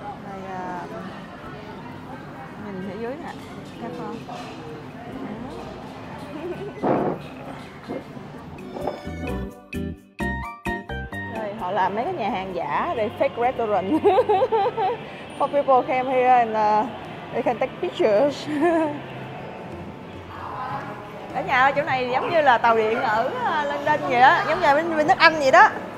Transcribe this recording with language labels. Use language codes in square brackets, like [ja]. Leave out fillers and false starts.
[vi] Đây, nhìn phía dưới nè, thấy không? Đây, họ làm mấy cái nhà hàng giả, đây [en] fake restaurant. For people came here and they can take pictures. [vi] Cả nhà ở chỗ này giống như là tàu điện ở London vậy đó, giống như bên nước Anh vậy đó.